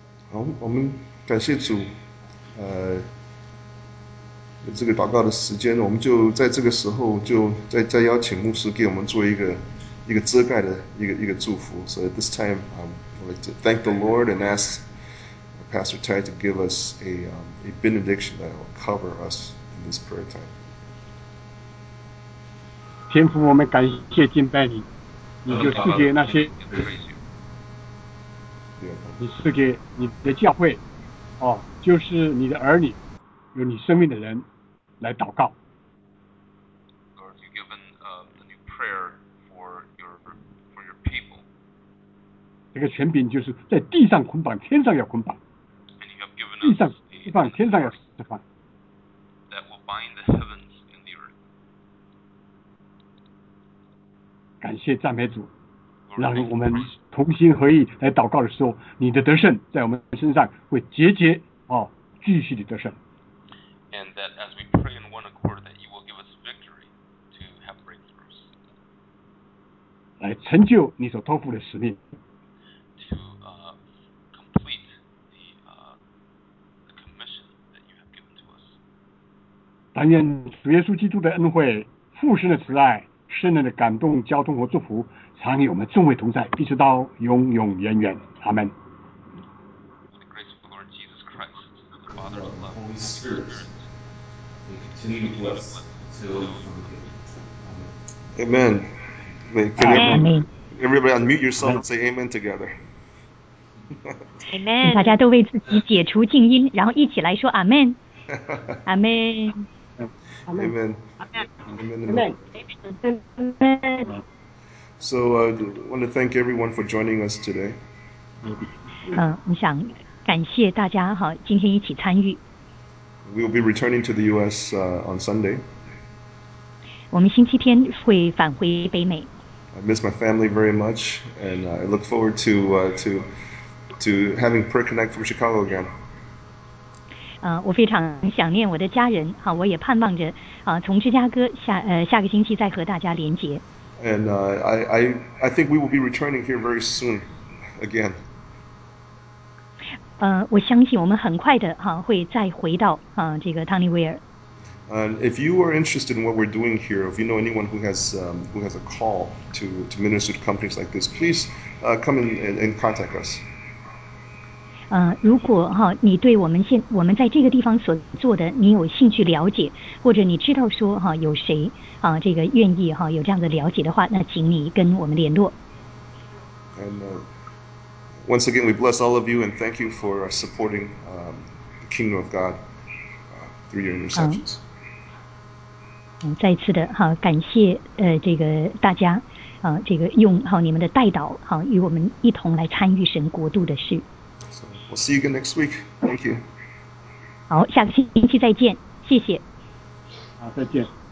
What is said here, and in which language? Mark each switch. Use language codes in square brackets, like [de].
[zh] 好，我们感谢主，这个祷告的时间，我们就在这个时候就再邀请牧师给我们做一个遮盖的一个祝福。 [en] So at this time, I'd like to thank the Lord and ask Pastor Ty to give us a benediction that will cover us in this prayer time. [zh] 天父，我们感谢敬拜你，你就赐给那些。你赐给你的教会，哦，就是你的儿女，有你生命的人来祷告。 [en] Lord, you've given a new prayer for your people. [zh] 这个权柄就是在地上捆绑，天上要捆绑。 [en] And you have given [zh] 地上释放，天上要释放。 [en] That will bind the heavens and the earth. [zh] 感谢赞美主。让我们同心合意来祷告的时候，你的得胜在我们身上会节节哦继续的得胜。 [en] And that as we pray in one accord, that you will give us victory to have breakthroughs. [zh] 来成就你所托付的使命。 [en] To complete the commission that you have given to us. [zh] 但愿主耶稣基督的恩惠、父神的慈爱、圣灵的感动、交通和祝福。常与我们众位同在，一直到永永远远。阿们。 [en] With the grace of the Lord Jesus Christ, the Father of love, Holy Spirit, may continue to bless till forgiven. Amen. Amen. Everybody unmute yourself and say Amen together. Amen. [zh] 大家都为自己解除静音，然后一起来说阿们。阿们。 [en] Amen. Amen. Amen. Amen. Amen. Amen. So I want to thank everyone for joining us today. [zh] 我想感谢大家哈，今天一起参与。 [en] We'll be returning to the U.S. On Sunday. [zh] 我们星期天会返回北美。 [en] I miss my family very much, and I look forward to having prayer connect from Chicago again. [zh] 我非常想念我的家人，好，我也盼望着从芝加哥下个星期再和大家连结。 [en] And I think we will be returning here very soon again. [zh] 我相信我们很快的哈会再回到这个汤尼维尔。 [en] And if you are interested in what we're doing here, if you know anyone who has a call to minister to companies like this, please come and contact us. [zh] 如果哈你对我们在这个地方所做的你有兴趣了解，或者你知道说哈有谁。这个愿意哈有这样的了解的话，那请你跟我们联络。 [en] And once again, we bless all of you and thank you for supporting the kingdom of God through your interceptions. [zh] 再次的哈感谢这个大家这个用好你们的代祷好与我们一同来参与神国度的事。 [en] So, we'll see you again next week. Thank you. [zh] 好，下个星期再见，谢谢。好，再见。